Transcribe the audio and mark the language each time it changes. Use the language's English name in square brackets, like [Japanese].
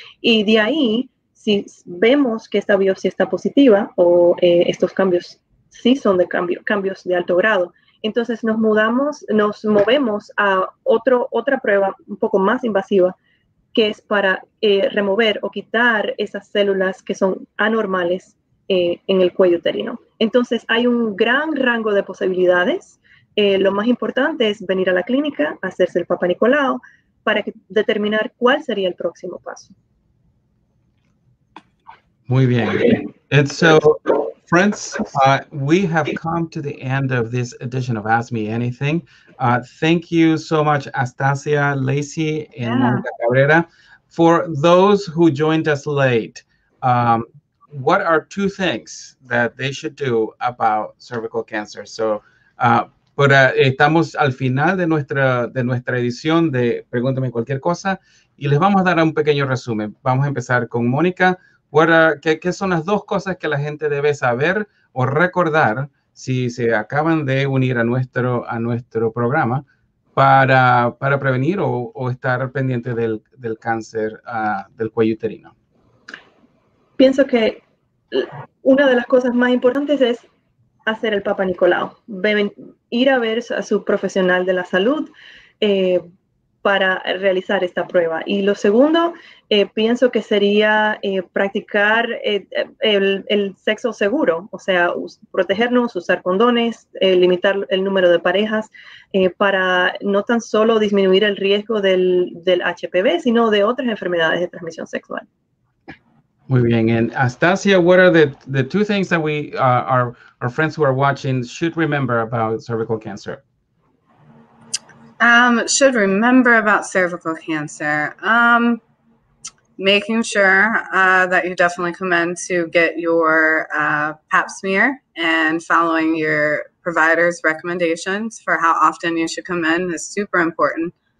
[Spanish] Y de ahí, si vemos que esta biopsia está positiva o estos cambios sí son de cambios de alto grado, entonces nos movemos a otra prueba un poco más invasiva, que es para remover o quitar esas células que son anormales en el cuello uterino. Entonces, hay un gran rango de posibilidades. Lo más importante es venir a la clínica, hacerse el papanicolaou para determinar cuál sería el próximo paso. Muy bien. [English] And so, friends, we have come to the end of this edition of Ask Me Anything. Thank you so much, Aastasshia, Lacy, and Monica Cabrera. For those who joined us late, what are two things that they should do about cervical cancer? [Spanish] Pero estamos al final de nuestra edición de Pregúntame Cualquier Cosa y les vamos a dar un pequeño resumen. Vamos a empezar con Mónica. ¿Qué son las dos cosas que la gente debe saber o recordar si se acaban de unir a nuestro programa para prevenir o estar pendiente del cáncer del cuello uterino? Pienso que una de las cosas más importantes es hacer el papanicolaou, ir a ver a su profesional de la salud para realizar esta prueba. Y lo segundo, pienso que sería practicar el sexo seguro, o sea, protegernos, usar condones, limitar el número de parejas para no tan solo disminuir el riesgo del HPV, sino de otras enfermedades de transmisión sexual. Muy bien. [English] And Aastasshia, what are the two things that our friends who are watching should remember about cervical cancer? Should remember about cervical cancer. Making sure that you definitely come in to get your pap smear and following your provider's recommendations for how often you should come in is super important.